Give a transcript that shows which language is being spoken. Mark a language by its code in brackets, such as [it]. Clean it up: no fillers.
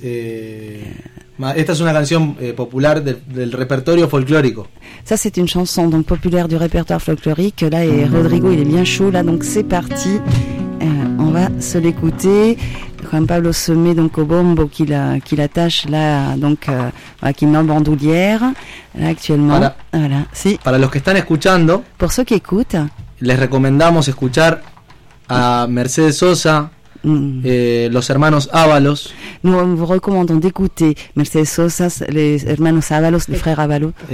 [es] Esta es una canción popular del repertorio folclórico. [fr] Ça c'est une chanson donc populaire du répertoire folklorique. Là et Rodrigo il est bien chaud là donc c'est parti. On va se l'écouter. Juan Pablo se met donc au bombo qu'il attache là, donc qui met en bandoulière là, actuellement. Voilà. Sí. [es] Para los que están escuchando, [fr] pour ceux qui écoutent, [es] les recomendamos escuchar a Mercedes Sosa, Los Hermanos Ábalos. [fr] Nous vous recommandons d'écouter Mercedes Sosa, Les Hermanos Ábalos, Les Frères Ábalos.